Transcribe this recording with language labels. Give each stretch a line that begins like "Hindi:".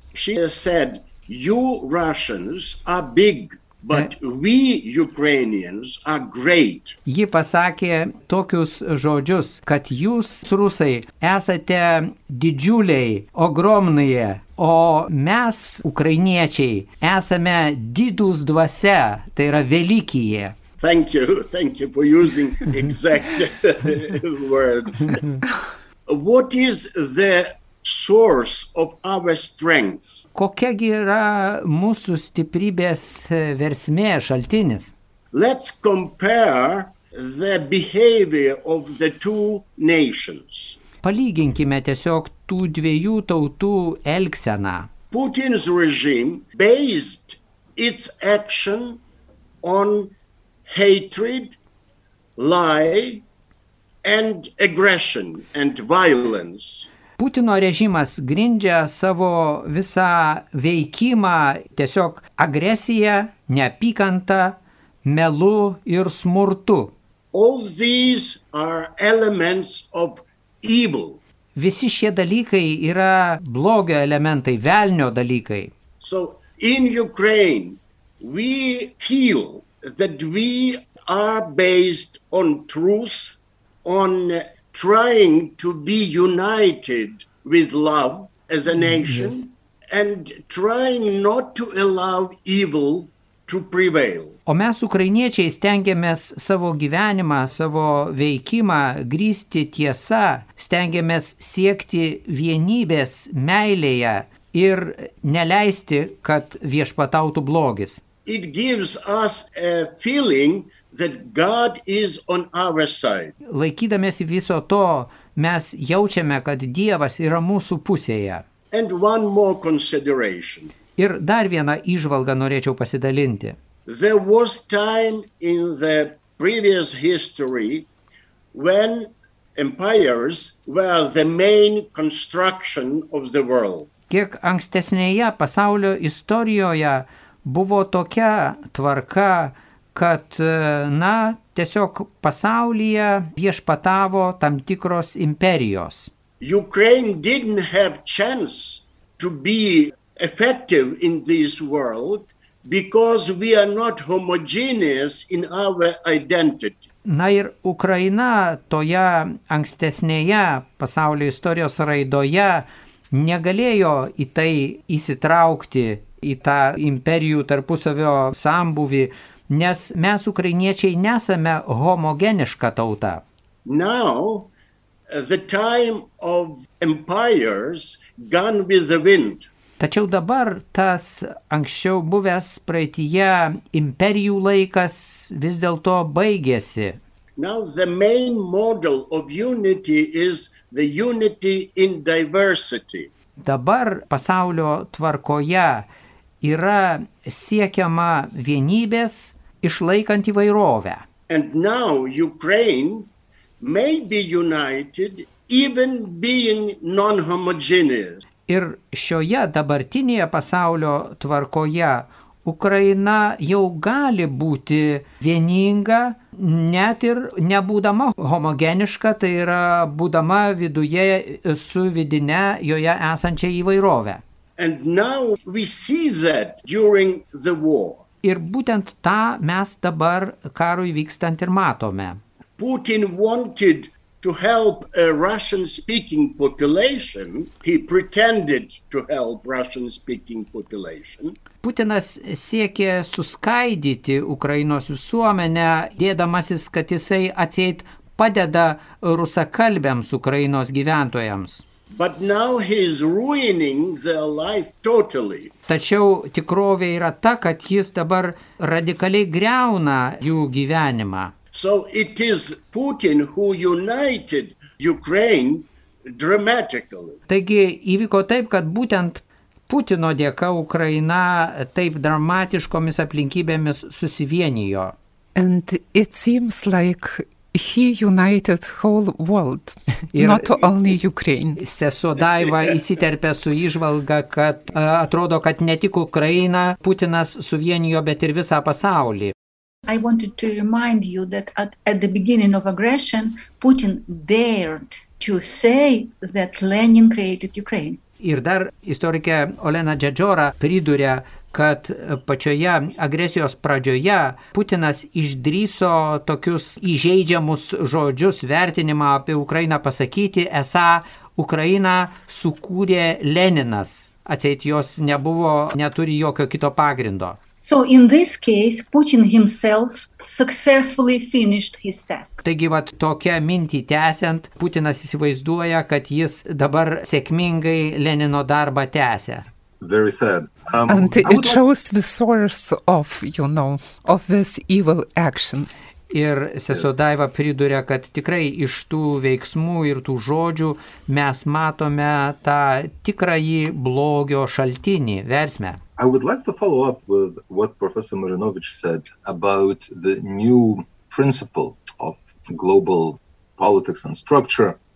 English: She said, "You Russians are big, but we Ukrainians are great."
Lithuanian: Ji pasakė tokius žodžius, kad jūs rusai esate didžiuliai, ogromnyje, o mes, ukrainiečiai, esame didus dvasia, tai yra velykyje.
English: Thank you for using exact words. What is the source of our strength?
Lithuanian: Kokia gi yra mūsų stiprybės versmė, šaltinis?
English: Let's compare the behavior of the two nations.
Lithuanian: Palyginkime tiesiog tų dviejų tautų elgseną.
English: Putin's regime based its action on hatred, lie and aggression and violence.
Lithuanian: Putino režimas grindžia savo visą veikimą tiesiog agresija, neapykanta, melu ir smurtu.
English: All these are elements of evil.
Lithuanian: Visi šie dalykai yra blogio elementai, velnio dalykai.
English: So in Ukraine we feel that we are based on truth, on trying to be united with love as a nation, yes, and trying not to allow evil to prevail.
Lithuanian: O mes ukrainiečiai stengiamės savo gyvenimą, savo veikimą grįsti tiesa, stengiamės siekti vienybės meilėje ir neleisti, kad viešpatautų blogis.
English: It gives us a feeling that God is on our side.
Lithuanian: Laikydamiesi viso to, mes jaučiame, kad Dievas yra mūsų pusėje.
English: And one more consideration.
Lithuanian: Ir dar vieną įžvalgą norėčiau pasidalinti.
English: There was time in the previous history when empires were the main construction of the world.
Lithuanian: Kiek ankstesnėje pasaulio istorijoje buvo tokia tvarka, kad, na, tiesiog pasaulyje viešpatavo tam tikros imperijos.
English: Ukraine didn't have chance to be effective in this world because we are not homogeneous in our identity.
Lithuanian: Na ir Ukraina toje ankstesnėje pasaulio istorijos raidoje negalėjo į tai įsitraukti, į tą imperijų tarpusavio sambuvį, nes mes ukrainiečiai nesame homogeniška tauta.
English: Now the time of empires gone with the wind.
Lithuanian: Tačiau dabar tas anksčiau buvęs praeityje imperijų laikas vis dėlto baigėsi.
English: Now the main model of unity is the unity in diversity.
Lithuanian: Dabar pasaulio tvarkoje yra siekiama vienybės, išlaikant įvairovę.
English: And now Ukraine may be united even being non-homogeneous.
Lithuanian: Ir šioje dabartinėje pasaulio tvarkoje Ukraina jau gali būti vieninga, net ir nebūdama homogeniška, tai yra būdama viduje su vidine joje esančia įvairovė.
English: And now we see that during the war.
Lithuanian: Ir būtent tą mes dabar karui vykstant ir matome.
English: Putin wanted to help a Russian-speaking population. He pretended to help Russian-speaking population.
Lithuanian: Putinas siekė suskaidyti Ukrainos visuomenę, dėdamasis, kad jisai atseit padeda rusakalbiams Ukrainos gyventojams.
English: But now he is ruining their life totally.
Lithuanian: Tačiau tikrovė yra ta, kad jis dabar radikaliai griauna jų gyvenimą.
English: So it is Putin who united Ukraine dramatically.
Lithuanian: Taigi įvyko taip, kad būtent Putino dėka Ukraina taip dramatiškomis aplinkybėmis susivienijo.
English: And it seems like he united whole world, not only Ukraine.
Lithuanian: Sesuo Daiva įsiterpė su įžvalga, kad atrodo, kad ne tik Ukraina Putinas suvienijo, bet ir visą pasaulį.
English: I wanted to remind you that at the beginning of aggression, Putin dared to say that Lenin created Ukraine.
Lithuanian: Ir dar istorikė Olena Džadžora priduria, kad pačioje agresijos pradžioje Putinas išdryso tokius įžeidžiamus žodžius vertinimą apie Ukrainą pasakyti, esą Ukrainą sukūrė Leninas, atseit jos nebuvo, neturi jokio kito pagrindo.
English: So in this case, Putin himself successfully finished his task.
Lithuanian: Taigi vat tokia mintį tęsiant, Putinas įsivaizduoja, kad jis dabar sėkmingai Lenino darbą tęsia.
English: Very sad. And it shows the source of, you know, of this evil action.
Lithuanian: Ir sesuo Daiva priduria, kad tikrai iš tų veiksmų ir tų žodžių mes matome tą tikrąjį blogio šaltinį, versmę.
English: I would like to follow up with what Professor Marinovich said about the new principle of global politics and structure.